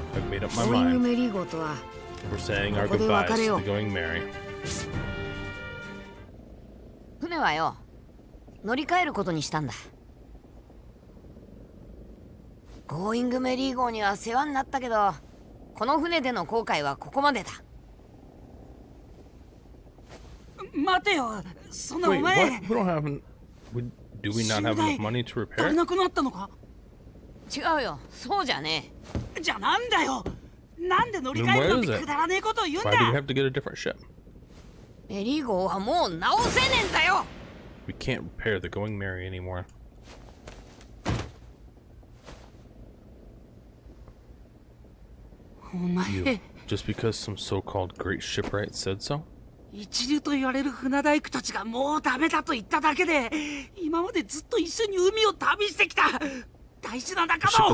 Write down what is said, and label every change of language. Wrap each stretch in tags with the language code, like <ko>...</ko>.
<en>We're saying our goodbyes to the going merry.</en> <ja>船はよ、乗り換えることにしたんだ。ゴーイングメリー号には世話になったけど、この船での航海はここまでだ。待てよ、そのお前。</ja> <en>Wait, what? We don't have. Do we not have enough money to repair?</en> <ja>足りなくなったのか？違うよ、そうじゃねえ。じゃあなんだよ。なんで乗り換えるのってくだらねえことを言うんだ。</ja> <en>Why do you have to get a different ship?</en> <ja>メリー号はもう直せねえんだよ。</ja> <en>We can't repair the Going Merry anymore.</en> <ja>おお前。</ja> <en>Just because some so-called great shipwright said so?</en> <ja>一流と言われる船大工たちがもうダメだと言っただけで、今までずっと一緒に海を旅してきた大事な仲間を。</ja>